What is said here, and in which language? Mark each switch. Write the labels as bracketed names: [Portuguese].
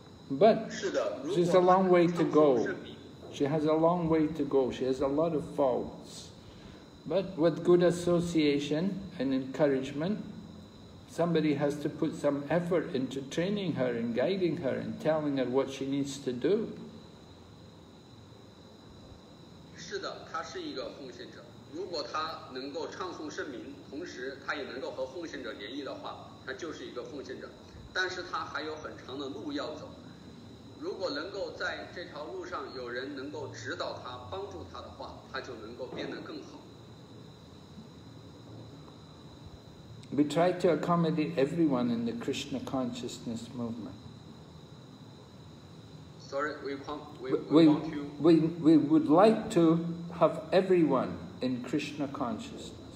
[English] But she's a long way to go. She has a long way to go. She has a lot of faults. But with good association and encouragement, somebody has to put some effort into training her and guiding her and telling her what she needs to do. [Chinese] 是的，他是一个奉献者。如果他能够唱诵圣名，同时他也能够和奉献者联谊的话，他就是一个奉献者。但是他还有很长的路要走。如果能够在这条路上有人能够指导他、帮助他的话，他就能够变得更好。 [English] We try to accommodate everyone in the Krishna consciousness movement. We would like to have everyone in Krishna consciousness.